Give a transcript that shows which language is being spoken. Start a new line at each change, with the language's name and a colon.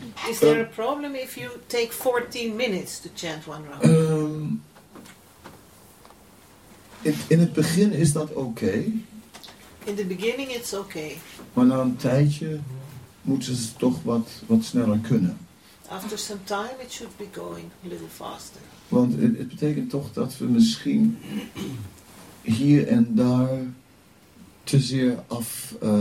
English: Is there a problem if you take 14 minutes to chant one round?
Dutch: In het begin is dat oké.
English: In the beginning it's okay.
Dutch: Maar na een tijdje moeten ze toch wat sneller kunnen.
English: After some time it should be going a little faster.
Dutch: Want het betekent toch dat we misschien hier en daar te zeer af...